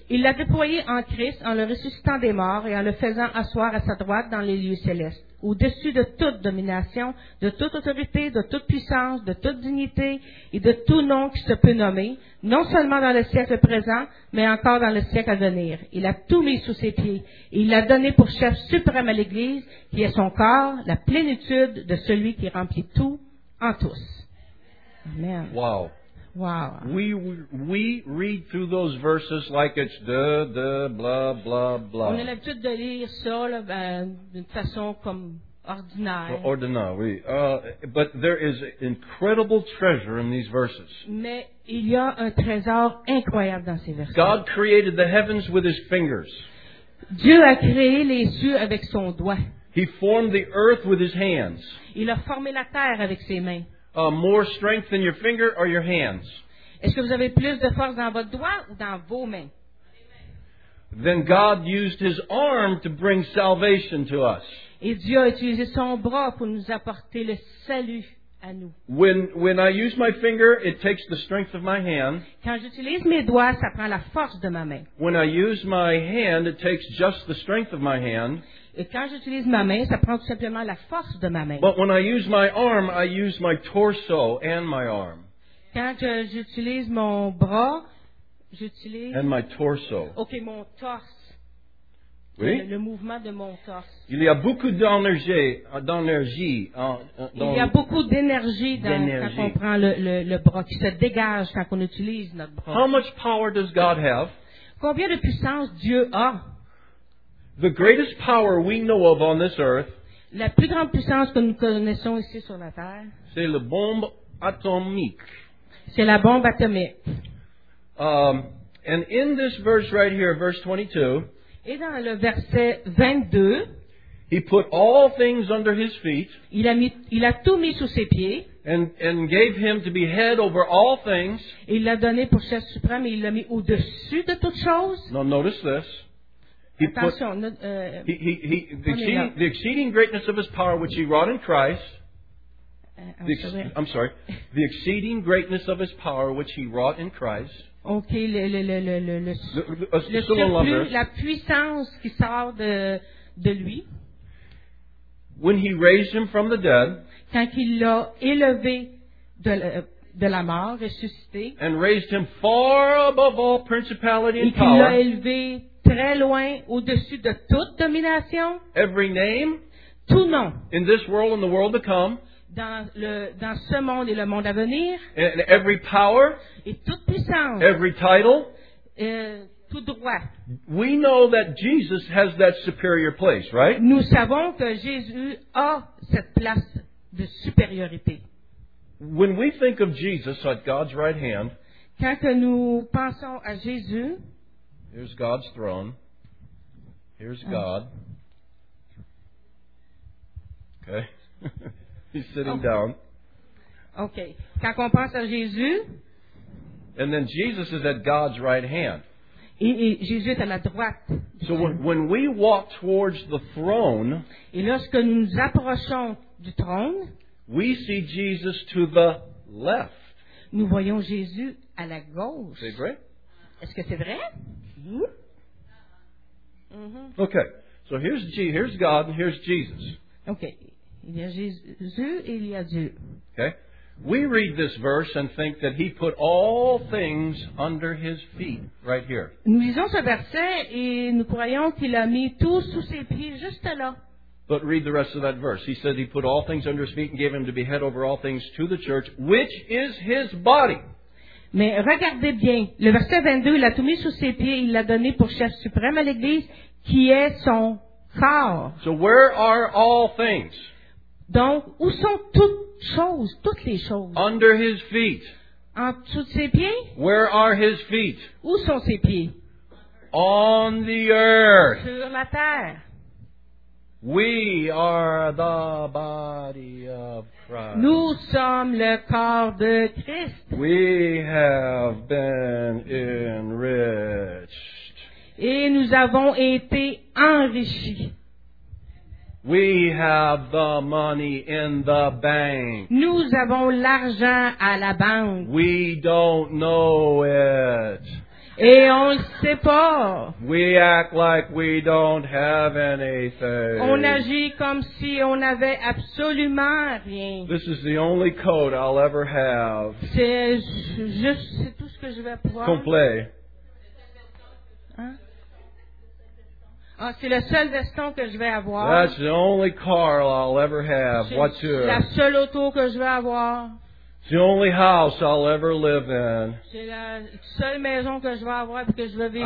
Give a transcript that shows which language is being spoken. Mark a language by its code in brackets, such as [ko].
[fr] Il l'a déployé en Christ en le ressuscitant des morts et en le faisant asseoir à sa droite dans les lieux célestes, au-dessus de toute domination, de toute autorité, de toute puissance, de toute dignité et de tout nom qui se peut nommer, non seulement dans le siècle présent, mais encore dans le siècle à venir. Il a tout mis sous ses pieds et il l'a donné pour chef suprême à l'Église, qui est son corps, la plénitude de celui qui remplit tout en tous. Amen. [en] Wow. Wow. We read through those verses like it's de blah blah blah. [fr] On a l'habitude de lire ça là, d'une façon comme ordinaire. Ordinaire, oui. [en] But there is incredible treasure in these verses. [fr] Mais il y a un trésor incroyable dans ces versets. [en] God created the heavens with his fingers. [fr] Dieu a créé les cieux avec son doigt. [en] He formed the earth with his hands. [fr] Il a formé la terre avec ses mains. [en] More strength in your finger or your hands? [fr] Est-ce que vous avez plus de force dans votre doigt ou dans vos mains? [en] Then God used his arm to bring salvation to us. [fr] Et Dieu a utilisé son bras pour nous apporter le salut à nous. [en] When I use my finger, it takes the strength of my hand. [fr] Quand j'utilise mes doigts, ça prend la force de ma main. [en] When I use my hand, it takes just the strength of my hand. [fr] Et quand j'utilise ma main, ça prend tout simplement la force de ma main. [en] But when I use my arm, I use my torso and my arm. [fr] Quand j'utilise mon bras, j'utilise... [en] And my torso. [fr] OK, mon torse. Oui? Le mouvement de mon torse. Il y a beaucoup d'énergie. Il y a beaucoup d'énergie. Quand on prend le bras, qui se dégage quand on utilise notre bras. [en] How much power does God have? [fr] Combien de puissance Dieu a? [en] The greatest power we know of on this earth. [fr] La plus grande puissance que nous connaissons ici sur la terre. C'est la bombe atomique. C'est la bombe atomique. [en] And in this verse right here, verse 22. [fr] Et dans le verset 22. [en] He put all things under his feet. [fr] Il a tout mis sous ses pieds. [en] And gave him to be head over all things. [fr] Il l'a donné pour chef suprême et il l'a mis au-dessus de toutes choses. [en] Now notice this. The exceeding greatness of his power which he wrought in Christ. I'm sorry. The exceeding greatness of his power which he wrought in Christ. [fr] Okay, la puissance qui sort de lui. [en] When he raised him from the dead. [fr] Quand il l'a élevé de la mort, ressuscité. [en] And raised him far above all principality and power. [fr] Et qu'il l'a élevé très loin, au-dessus de toute domination. [en] Every name. [fr] Tout nom. [en] In this world and the world to come. [fr] Dans ce monde et le monde à venir. [en] And every power. [fr] Et toute puissance. [en] Every title. [fr] Tout droit. [en] We know that Jesus has that superior place, right? [fr] Nous savons que Jésus a cette place de supériorité. [en] When we think of Jesus at God's right hand. [fr] Quand que nous pensons à Jésus. [en] Here's God's throne. Here's God. Okay. He's sitting down. [fr] Okay. Quand on pense à Jésus. [en] And then Jesus is at God's right hand. [fr] Et Jésus est à la droite. [en] So when we walk towards the throne. [fr] Et lorsque nous nous approchons du trône. [en] We see Jesus to the left. [fr] Nous voyons Jésus à la gauche. C'est vrai? Est-ce que c'est vrai? [en] Mm-hmm. Okay, so here's God and here's Jesus. [fr] Okay, il y a Jésus et il y a Dieu. [en] Okay, we read this verse and think that he put all things under his feet right here. [fr] Nous lisons ce verset et nous croyons qu'il a mis tout sous ses pieds juste là. [en] But read the rest of that verse. He said he put all things under his feet and gave him to be head over all things to the church, which is his body. [fr] Mais regardez bien, le verset 22, il a tout mis sous ses pieds, il l'a donné pour chef suprême à l'Église, qui est son corps. [en] So where are all things? [fr] Donc, où sont toutes les choses? [en] Under his feet. [fr] En dessous de ses pieds? [en] Where are his feet? [fr] Où sont ses pieds? [en] On the earth. [fr] Sur la terre. [en] We are the body of Christ. [fr] Nous sommes le corps de Christ. [en] We have been enriched. [fr] Et nous avons été enrichis. [en] We have the money in the bank. [fr] Nous avons l'argent à la banque. [en] We don't know it. [fr] Et on ne sait pas. [en] We act like we don't have anything. [fr] On agit comme si on n'avait absolument rien. [en] This is the only coat I'll ever have. [fr] C'est tout ce que je vais pouvoir. Complet. Ah, c'est le seul veston que je vais avoir. [en] That's the only car I'll ever have. [fr] C'est [en] What's yours? [fr] La seule auto que je vais avoir. [en] It's the only house I'll ever live in. [fr] C'est la seule maison que je vais avoir et que je vais vivre